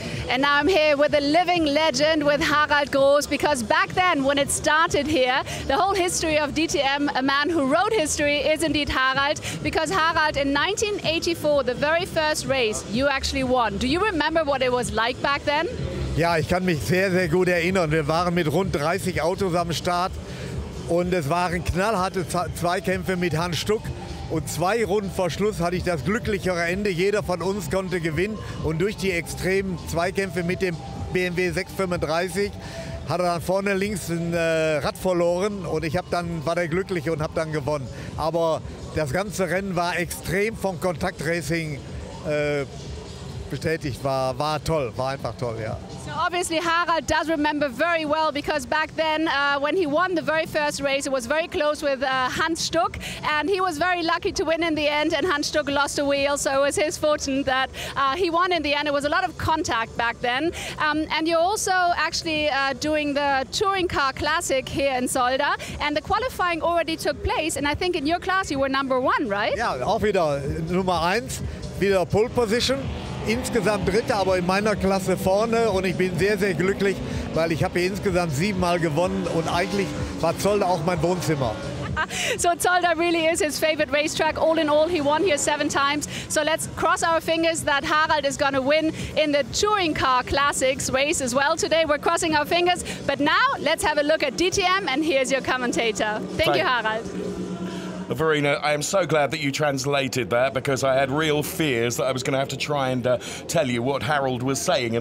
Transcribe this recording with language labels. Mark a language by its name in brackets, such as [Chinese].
[English] And now I'm here with a living legend, with Harald Groß, because back then when it started here, the whole history of DTM, a man who wrote history, is indeed Harald. Because Harald, in 1984, the very first race, you actually won. Do you remember what it was like back then? [German] Ja, ich kann mich sehr, sehr gut erinnern. Wir waren mit rund 30 Autos am Start und es waren knallharte Zweikämpfe mit Hans Stuck. Und zwei Runden vor Schluss hatte ich das glücklichere Ende. Jeder von uns konnte gewinnen. Und durch die extremen Zweikämpfe mit dem BMW 635 hat er dann vorne links ein Rad verloren und ich habe dann war der Glückliche und habe dann gewonnen. Aber das ganze Rennen war extrem vom Kontaktracing bestätigt, war toll, war einfach toll, ja. [English] So obviously Harald does remember very well because back then when he won the very first race it was very close with Hans Stuck and he was very lucky to win in the end and Hans Stuck lost a wheel, so it was his fortune that he won in the end. It was a lot of contact back then. And you're also actually doing the Touring Car Classic here in Zolder and the qualifying already took place and I think in your class you were number one, right? [German] Yeah, auch wieder Nummer eins, wieder Pole Position. Insgesamt Dritter, aber in meiner Klasse vorne und ich bin sehr, sehr glücklich, weil ich habe hier insgesamt 7 Mal gewonnen und eigentlich war Zolder auch mein Wohnzimmer. [English] So Zolder really is his favorite racetrack. All in all, he won here 7 times. So let's cross our fingers that Harald is going to win in the Touring Car Classics race as well today. We're crossing our fingers, but now let's have a look at DTM and here's your commentator. Thank you, Harald. Verena, I am so glad that you translated that because I had real fears that I was going to have to try and tell you what Harald was saying.